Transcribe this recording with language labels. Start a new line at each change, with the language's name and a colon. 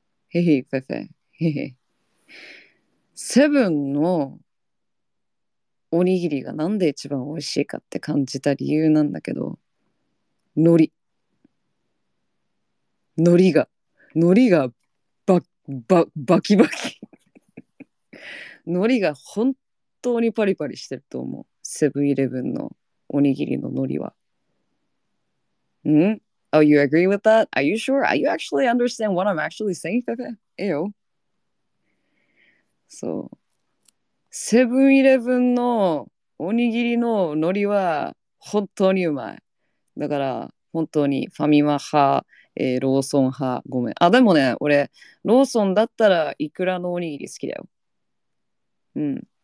Japanese: へへへへへへ。セブンのおにぎりがなんで一番おいしいかって感じた理由なんだけど、海苔がバキバキ海苔が本当にパリパリしてると思う、セブンイレブンのおにぎりの海苔は。
English: ん？Oh, you agree with that? Are you sure? Are you actually understand what I'm actually saying? Pepe? Ew.
Japanese: So, セブンイレブンのおにぎりの海苔は本当にうまい。だから本当にファミマ派、ローソン派、ごめん。あ、でもね、俺ローソンだったらイクラのおにぎり好きだよ。うん。